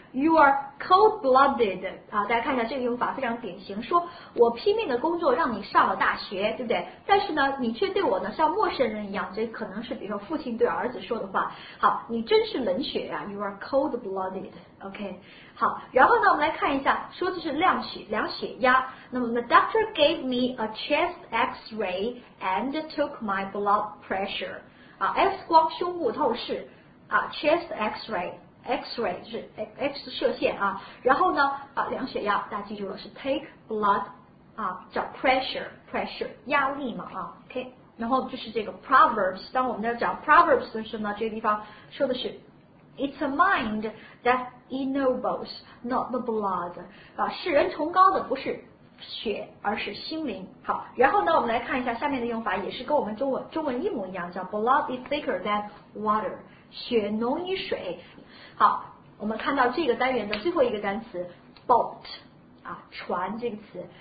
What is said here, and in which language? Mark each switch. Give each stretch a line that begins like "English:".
English: You are cold-blooded
Chinese: 啊，大家看一下这个用法非常典型，说我拼命的工作让你上了大学，对不对？但是呢，你却对我呢像陌生人一样，这可能是比如说父亲对儿子说的话。好，你真是冷血啊 ，
English: You are cold-blooded。 OK，
Chinese: 好，然后呢，我们来看一下，说的是量血，量血压。那么
English: ，the doctor gave me a chest X-ray and took my blood pressure。
Chinese: 啊 ，X 光胸部透视，啊 ，
English: chest X-ray
Chinese: 就是 X 射线啊。然后呢，啊，量血压，大家记住了，是
English: take blood，
Chinese: 啊，叫 pressure 压力嘛，啊 ，
English: OK。
Chinese: 然后就是这个 proverbs， 当我们在讲 proverbs 的时候呢，这个地方说的是。
English: It's a mind that ennobles, not the blood.
Chinese: 啊，使人崇高的不是血，而是心灵。好，然后呢，我们来看一下下面的用法，也是跟我们中文一模一样，叫
English: blood is thicker than water.
Chinese: 血浓于水。好，我们看到这个单元的最后一个单词 boat， 啊，船这个词。